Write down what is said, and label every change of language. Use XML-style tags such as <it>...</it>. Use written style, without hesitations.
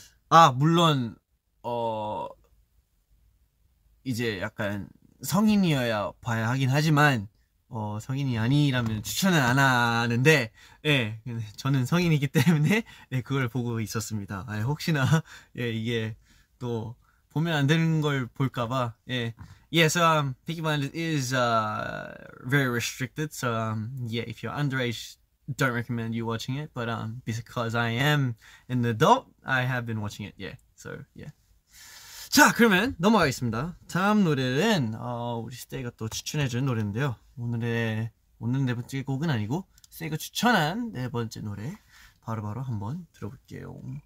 <ko>아, 물론, 어, 이제 약간, 성인이어야 봐야 하긴 하지만, 어, 성인이 아니라면 추천은 안 하는데, 예, 저는 성인이기 때문에, 예, 그걸 보고 있었습니다. 아, 혹시나, 예, 이게, 또, 보면 안 되는 걸 볼까봐. 예.</ko> <en>Yeah, so Peaky Blinders is very restricted. So yeah, if you're underage, don't recommend you watching it. But because I am an adult, I have been watching it. Yeah. So yeah.</en> <ko>자, 그러면 넘어가겠습니다. 다음 노래는 우리 스테이가 또 추천해준 노래인데요. 오늘 네 번째 곡은 아니고 스테이가 추천한 네 번째 노래 바로 한번 들어볼게요.</ko>